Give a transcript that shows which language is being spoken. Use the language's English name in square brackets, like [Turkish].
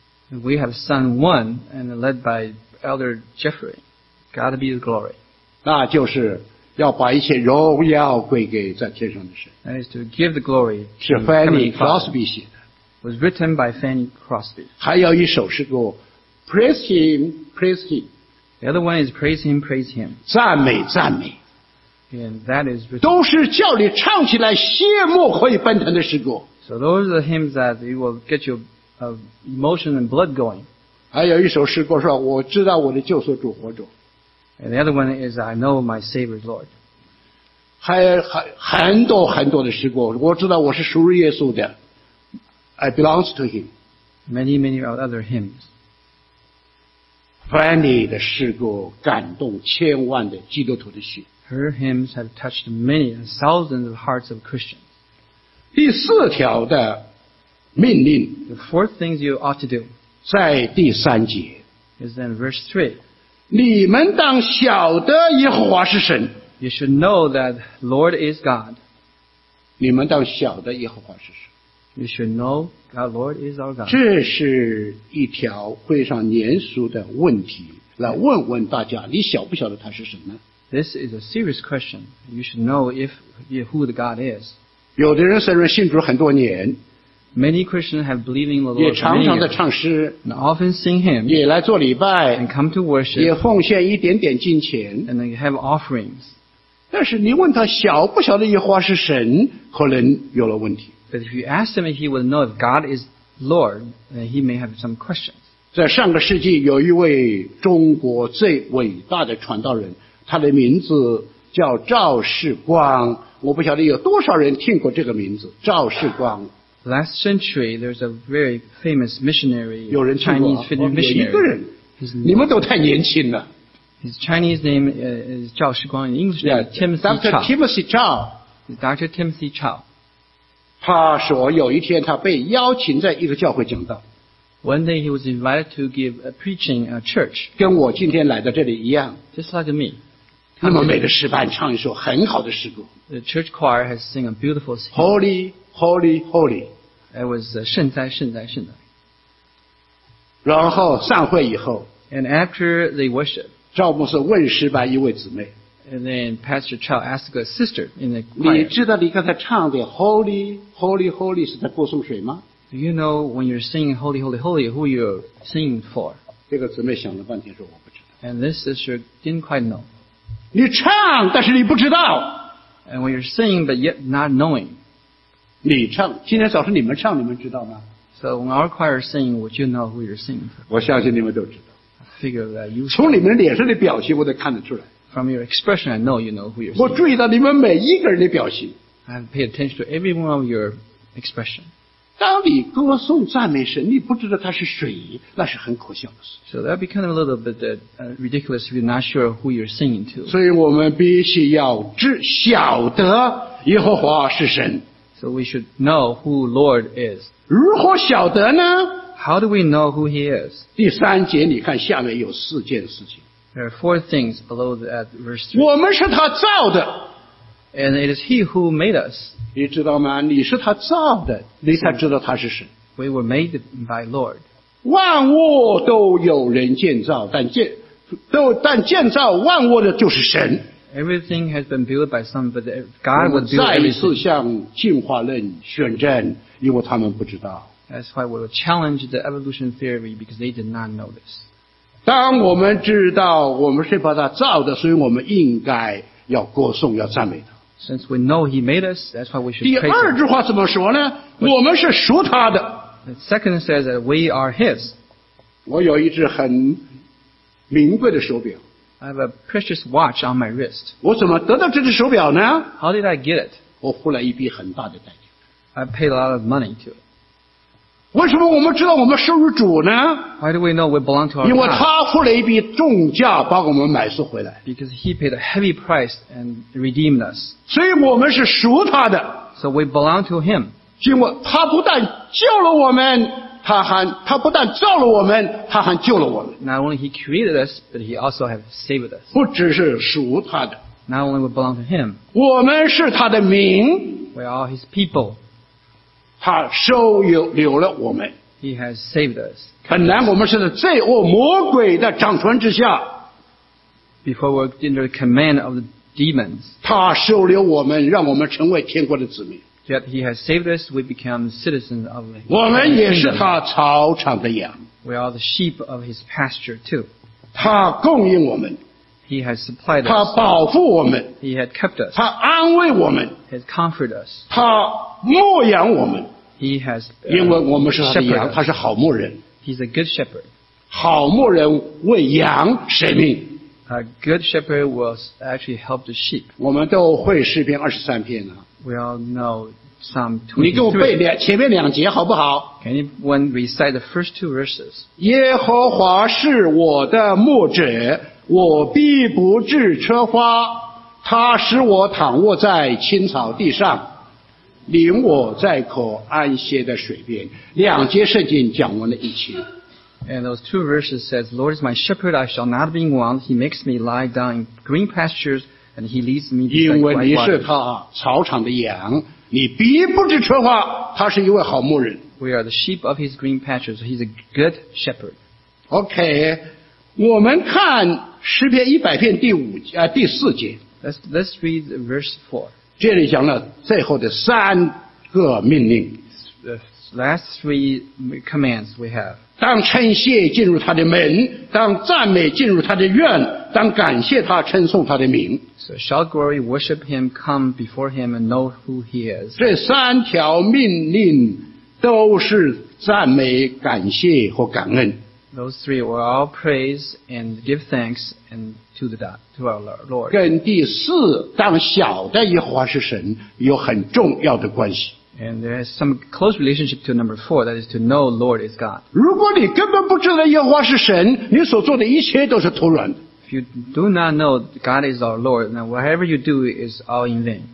[English] We have sung one and led by Elder Jeffrey. God Be the Glory. [Chinese] 那就是要把一切荣耀归给在天上的神。 [English] That is to give the glory. [Chinese] 是 Fanny Crosby 写的。 [English] Was written by Fanny Crosby. [Chinese] 还有一首诗歌 [English] ，Praise Him, Praise Him. The other one is Praise Him, Praise Him. [Chinese] 赞美赞美。 [English] And that is. [Chinese] 都是叫你唱起来羡慕可以奔腾的诗歌。 [English] So those are the hymns that it will get your emotion and blood going. [Chinese] 还有一首诗歌说，我知道我的救赎主活着。 [English] And the other one is, I know my Savior's Lord. [Chinese] 很多很多的诗歌，我知道我是属于耶稣的。 [English] I belong to him. Many, many other hymns. [Chinese] Fanny 的诗歌感动千万的基督徒的心。 [English] Her hymns have touched many and thousands of hearts of Christians. [Chinese] 第四条的命令。 [English] The fourth thing you ought to do. [Chinese] 在第三节。 [English] Is in verse 3. [Chinese] 你们当晓得耶和华是神。 [English] You should know that Lord is God. [Chinese] 你们当晓得耶和华是神。 [English] You should know that Lord is our God. [Chinese] 这是一条非常严肃的问题，来问问大家，你晓不晓得他是神呢？ [English] This is a serious question. You should know if who the God is. [Chinese] 有的人虽然信主很多年。 [English] Many Christians have believed in the Lord. [Chinese] 也常常的唱诗 [English] and often sing hymns. [Chinese] 也来做礼拜 [English] and come to worship. [Chinese] 也奉献一点点金钱 [English] and they have offerings. [Chinese] 但是你问他晓不晓得耶和华是神，可能有了问题。 [English] But if you ask him, he will know if God is Lord, then he may have some questions. [Chinese] 在上个世纪，有一位中国最伟大的传道人，他的名字叫赵世光。我不晓得有多少人听过这个名字，赵世光。 [English] Last century, there's a very famous missionary, Chinese missionary. His Chinese name is Zhao Shiguang, in English name is Timothy Chow. Dr. Timothy Chow. [Chinese] 他说有一天他被邀请在一个教会讲道。 [English] One day he was invited to give a preaching at a church. [Chinese] 跟我今天来到这里一样。 [English] Just like me. [Chinese] 那么每个诗班唱一首很好的诗歌。 [English] The church choir has sung a beautiful song. Holy, holy, holy. It was [Chinese] 圣哉圣哉圣哉。然后散会以后。 [English] And after the worship. [Chinese] 赵牧师问诗班一位姊妹。 [English] And then Pastor Chow asked a sister in the choir. [Chinese] 你知道你刚才唱的 [English] holy, holy, holy [Chinese] 是在歌颂谁吗？ [English] Do you know when you're singing holy, holy, holy, who you're singing for? [Chinese] 这个姊妹想了半天说我不知道。 [English] And this sister didn't quite know. [Chinese] 你唱但是你不知道。 [English] And when you're singing but yet not knowing. [Chinese] 你唱，今天早上你们唱，你们知道吗？ [English] So when our choir sing, would you know who you're singing for? [Chinese] 我相信你们都知道。 [English] Figure that you. [Chinese] 从你们脸上的表情我都看得出来。 [English] From your expression, I know you know who you're singing. [Chinese] 我注意到你们每一个人的表情。 [English] I pay attention to every one of your expression. [Chinese] 当你歌颂赞美神，你不知道他是谁，那是很可笑的事。 [English] So that'd be kind of a little bit ridiculous if you're not sure who you're singing to. [Chinese] 所以我们必须要知晓得耶和华是神。 [English] So we should know who Lord is. [Chinese] 如何晓得呢？ [English] How do we know who he is? [Chinese] 第三节你看下面有四件事情。 [English] There are four things below that verse 3. [Chinese] 我们是他造的。 [English] And it is he who made us. [Chinese] 你知道吗？你是他造的，你才知道他是神。 [English] We were made by Lord. [Chinese] 万物都有人建造，但建造万物的就是神。 [English] Everything has been built by some, but God would build everything. [Chinese] 再一次向进化论宣战，因为他们不知道。 [English] That's why we will challenge the evolution theory because they did not know this. [Chinese] 当我们知道我们是把他造的，所以我们应该要歌颂，要赞美他。 [English] Since we know he made us, that's why we should praise him. [Chinese] 第二句话怎么说呢？我们是属他的。 [English] The second says that we are his. [Chinese] 我有一只很名贵的手表。 [English] I have a precious watch on my wrist. [Chinese] 我怎么得到这只手表呢？ [English] How did I get it? [Chinese] 我付了一笔很大的代价。 [English] I paid a lot of money to it. [Chinese] 为什么我们知道我们受于主呢？ [English] Why do we know we belong to our God? [Chinese] 因为他付了一笔重价把我们买赎回来。 [English] Because he paid a heavy price and redeemed us. [Chinese] 所以我们是属他的。 [English] So we belong to him. [Chinese] 因为他不但救了我们，他不但造了我们，他还救了我们。 [English] Not only he created us, but he also has saved us. [Chinese] 不只是属他的。 [English] Not only we belong to him. [Chinese] 我们是他的民。 [English] We are his people. [Chinese] 他收留留了我们。 [English] He has saved us. [Chinese] 本来我们是在罪恶魔鬼的掌权之下。 [English] Before we were under the command of the demons. [Chinese] 他收留我们，让我们成为天国的子民。 [English] Yet he has saved us, we become citizens of his kingdom. [Chinese] 我们也是他草场的羊。 [English] We are the sheep of his pasture too. [Chinese] 他供应我们。 [English] He has supplied us. [Chinese] 他保护我们。 [English] He had kept us. [Chinese] 他安慰我们。 [English] He has comforted us. [Chinese] 他牧养我们。 [English] He has, [Chinese] 因为我们是他的羊，他是好牧人。 [English] He's a good shepherd. [Chinese] 好牧人为羊舍命。 [English] A good shepherd will actually help the sheep. [Chinese] 我们都会诗篇二十三篇啊。 [English] We all know Psalm 23. [Chinese] 你给我背前面两节好不好？ [English] Can anyone recite the first two verses? [Chinese] 耶和华是我的牧者，我必不致缺乏。他使我躺卧在青草地上，领我在可安歇的水边。两节圣经讲完了一切。 [English] And those two verses says, Lord is my shepherd, I shall not be in want. He makes me lie down in green pastures. And he leads me [Chinese] 因为你是他草场的羊，你必不致缺乏。他是一位好牧人。 [English] We are the sheep of his green pastures.、So、he's a good shepherd. [Chinese] Okay, 我们看诗篇一百篇第五啊第四节。 [English] Let's read verse 4. [Chinese] 这里讲了最后的三个命令。 [English] The last three commands we have. [Chinese] 当称谢进入他的门，当赞美进入他的院。当感谢他，称颂他的名。 [English] So shall glory worship him, come before him and know who he is. [Chinese] 这三条命令都是赞美、感谢和感恩。 [English] Those three were all praise and give thanks and to our Lord. [Chinese] 跟第四，当晓得耶和华是神，有很重要的关系。 [English] And there is some close relationship to number four, that is to know Lord is God. [Chinese] 如果你根本不知道耶和华是神，你所做的一切都是徒然的。 [English] If you do not know God is our Lord, then whatever you do is all in vain.